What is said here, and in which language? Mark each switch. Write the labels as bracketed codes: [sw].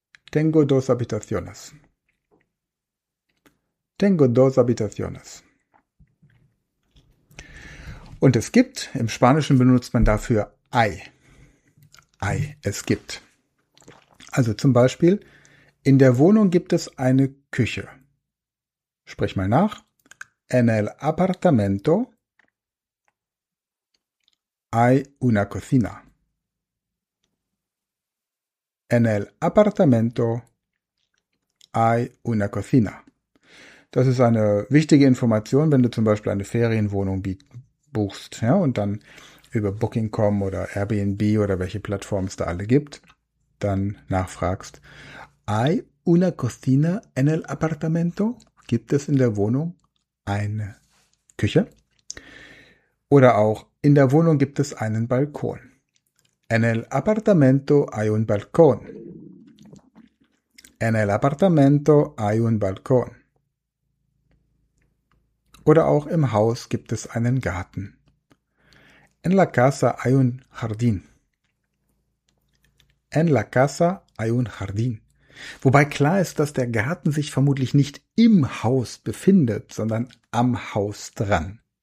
[es] Tengo dos habitaciones. Tengo dos habitaciones. [de] Und es gibt, im Spanischen benutzt man dafür hay. Hay, es gibt. Also zum Beispiel, In der Wohnung gibt es eine Küche. Sprich mal nach. [es] En el apartamento hay una cocina. En el apartamento hay una cocina. [de] Das ist eine wichtige Information, wenn du zum Beispiel eine Ferienwohnung buchst, ja, und dann über Booking.com oder Airbnb oder welche Plattformen es da alle gibt, dann nachfragst. [es] Hay una cocina en el apartamento? [de] Gibt es in der Wohnung eine Küche? Oder auch, in der Wohnung gibt es einen Balkon. [es] En el apartamento hay un balcón. En el apartamento hay un balcón. [de] Oder auch, im Haus gibt es einen Garten. [es] En la casa hay un jardín. En la casa hay un jardín. [de] Wobei klar ist, dass der Garten sich vermutlich nicht im Haus befindet, sondern am Haus dran.